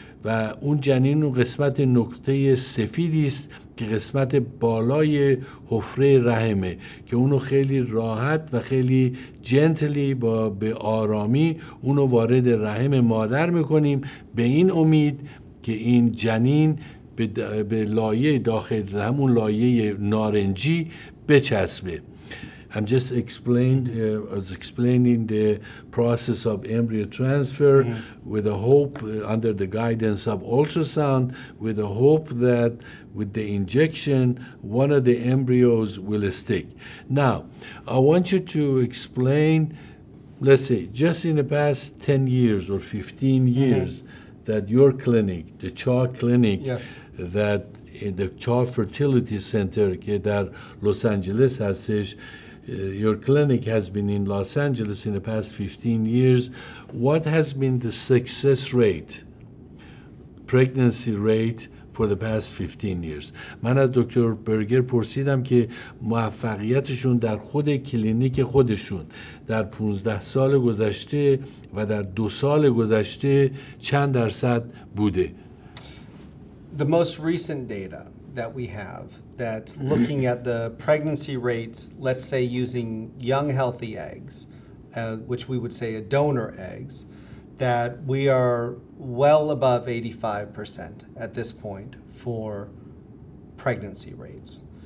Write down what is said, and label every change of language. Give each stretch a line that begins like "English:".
Persian: و اون جنین اون قسمت نقطه سفیدی است که قسمت بالای حفره رحمه که اونو خیلی راحت و خیلی جنتلی با به آرامی اونو وارد رحم مادر میکنیم به این امید که این جنین به لایه داخل، همون لایه نارنجی بچسبه.
English: I'm just explaining the process of embryo transfer mm-hmm. with a hope under the guidance of ultrasound, with a hope that with the injection, one of the embryos will stick. Now, I want you to explain, let's say, just in the past 10 years or 15 years mm-hmm. that your clinic, the CHA clinic, yes. that in the CHA Fertility Center in Los Angeles has said, your clinic has been in Los Angeles in the past 15 years. What has been the success rate, pregnancy rate, for the past 15 years?
Persian: من از دکتر برگر پرسیدم که موفقیتشون در خود کلینیک خودشون در 15 سال گذشته و در 2 سال گذشته چند درصد بوده.
English: The most recent data that we have that's looking at the pregnancy rates, let's say using young healthy eggs, which we would say a donor eggs, that we are well above 85% at this point for pregnancy rates.